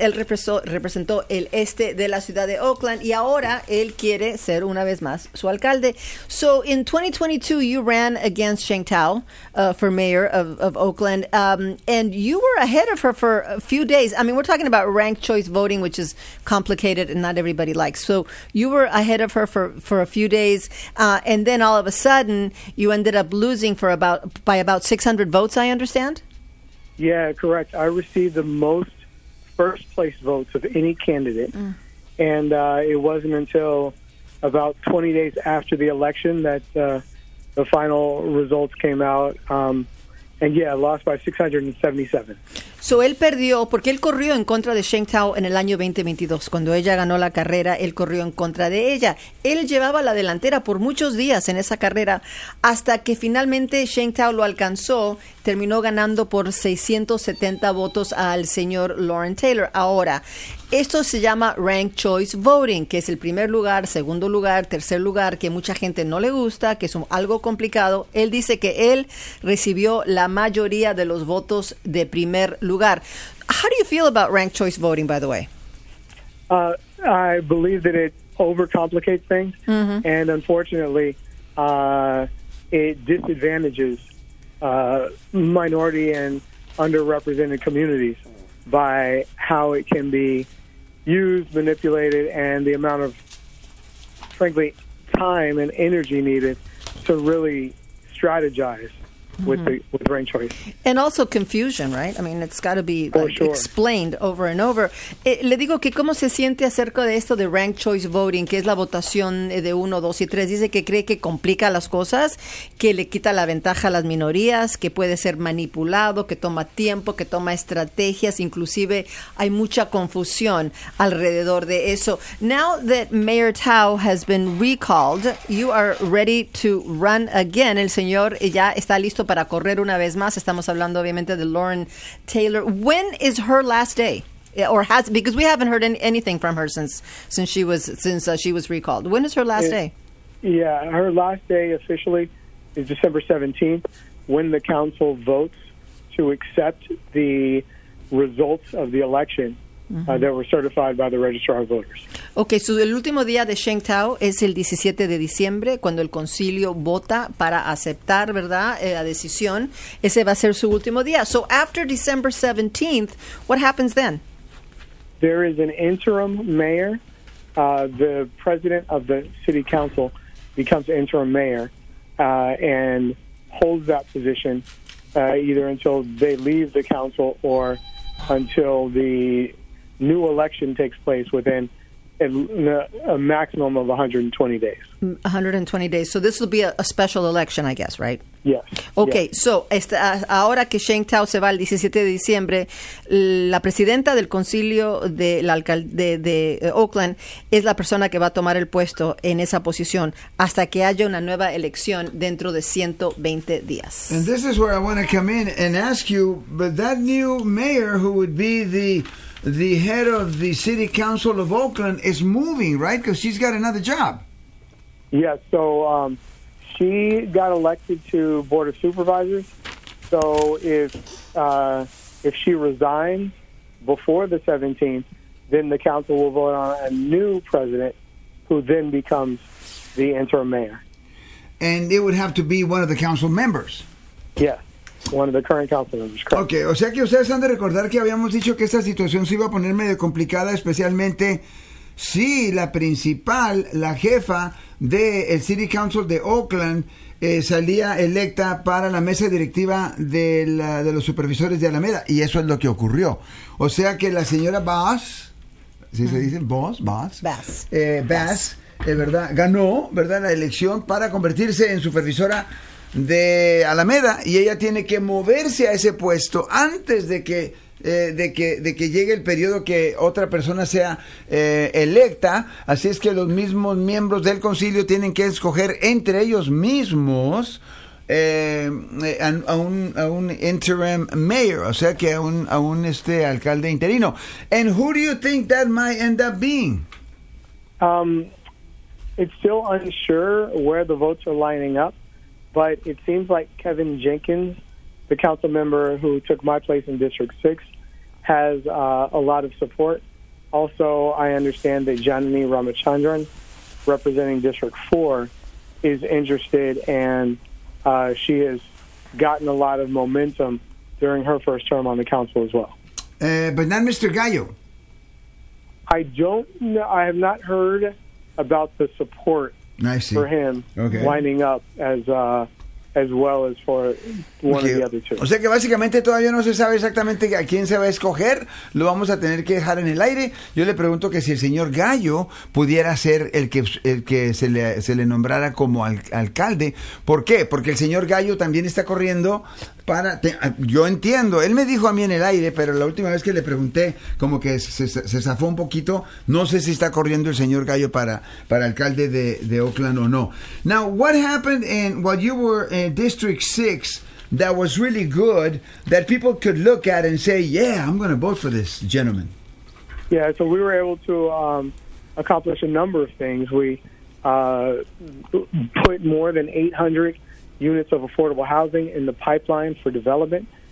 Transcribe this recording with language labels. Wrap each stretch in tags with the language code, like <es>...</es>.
<es>Él representó el este de la ciudad de Oakland, y ahora él quiere ser una vez más su alcalde.</es> <en>So in 2022, you ran against Sheng Tao for mayor of Oakland, and you were ahead of her for a few days. I mean, we're talking about ranked choice voting, which is complicated and not everybody likes. So you were ahead of her for a few days, and then all of a sudden, you ended up losing by about 600 votes, I understand? Yeah, correct. I received the most first-place votes of any candidate, and it wasn't until about 20 days after the election that the final results came out, lost by 677.</en> <es>So él perdió, porque él corrió en contra de Sheng Tao en el año 2022. Cuando ella ganó la carrera, él corrió en contra de ella. Él llevaba la delantera por muchos días en esa carrera, hasta que finalmente Sheng Tao lo alcanzó, terminó ganando por 670 votos al señor Lauren Taylor. Ahora, esto se llama ranked choice voting, que es el primer lugar, segundo lugar, tercer lugar, que mucha gente no le gusta, que es algo complicado. Él dice que él recibió la mayoría de los votos de primer lugar.</es> <en>How do you feel about ranked choice voting, by the way? I believe that it overcomplicates things, and unfortunately, it disadvantages minority and underrepresented communities by how it can be used, manipulated, and the amount of, frankly, time and energy needed to really strategize. With ranked choice. And also confusion, right? I mean, it's got to be explained over and over.</en> <es>Le digo que cómo se siente acerca de esto de ranked choice voting, que es la votación de 1, 2 y 3. Dice que cree que complica las cosas, que le quita la ventaja a las minorías, que puede ser manipulado, que toma tiempo, que toma estrategias. Inclusive hay mucha confusión alrededor de eso.</es> <en>Now that Mayor Tao has been recalled, you are ready to run again.</en> <es>El señor ya está listo para correr una vez más. Estamos hablando obviamente de Lauren Taylor.</es> <en>When is her last day? Or has, because we haven't heard anything from her since she was recalled. When is her last day? Yeah, her last day officially is December 17th, when the council votes to accept the results of the election that were certified by the Registrar of Voters. Okay, so</en> <es>el último día de Sheng Tao es el 17 de diciembre, cuando el concilio vota para aceptar, ¿verdad?, la decisión. Ese va a ser su último día.</es> <en>So after December 17th, what happens then? There is an interim mayor. The president of the city council becomes interim mayor and holds that position either until they leave the council or until the new election takes place within a maximum of 120 days. 120 days. So this will be a special election, I guess, right? Yes. Okay, yes.</en> <es>So ahora que Sheng Tao se va el 17 de diciembre, la presidenta del concilio de la alcalde de Oakland es la persona que va a tomar el puesto en esa posición hasta que haya una nueva elección dentro de 120 días.</es> <en>And this is where I want to come in and ask you, but that new mayor who would be the head of the city council of Oakland is moving, right? Because she's got another job. Yes, yeah, so she got elected to Board of Supervisors. So if she resigns before the 17th, then the council will vote on a new president who then becomes the interim mayor. And it would have to be one of the council members. Yes. Yeah. One of the current council members.</en> <es>Okay, o sea que ustedes han de recordar que habíamos dicho que esta situación se iba a poner medio complicada, especialmente Sí, la principal, la jefa del City Council de Oakland, salía electa para la mesa directiva de los supervisores de Alameda, y eso es lo que ocurrió. O sea que la señora Bass, ¿sí se dice? Bass, ¿verdad? Ganó, ¿verdad?, la elección para convertirse en supervisora de Alameda, y ella tiene que moverse a ese puesto antes de que llegue el periodo que otra persona sea electa. Así es que los mismos miembros del concilio tienen que escoger entre ellos mismos a un</es> <en>interim mayor,</en> <es>o sea que a un alcalde interino.</es> <en>And who do you think that might end up being? It's still unsure where the votes are lining up, but it seems like Kevin Jenkins, the council member who took my place in District 6, has a lot of support. Also, I understand that Janani Ramachandran, representing District 4, is interested, and she has gotten a lot of momentum during her first term on the council as well. But not Mr. Gallo. I don't know. I have not heard about the support for him lining up as well as for one of the other two.</en> <es>O sea que básicamente todavía no se sabe exactamente a quién se va a escoger. Lo vamos a tener que dejar en el aire. Yo le pregunto que si el señor Gallo pudiera ser el que se le nombrara como alcalde. ¿Por qué? Porque el señor Gallo también está corriendo para... yo entiendo. Él me dijo a mí en el aire, pero la última vez que le pregunté, como que se zafó un poquito. No sé si está corriendo el señor Gallo para alcalde de Oakland o no.</es> <en>Now, what happened while you were in District 6 that was really good that people could look at and say, yeah, I'm going to vote for this gentleman? Yeah, so we were able to accomplish a number of things. We put more than 800 units of affordable housing in the pipeline for development.</en>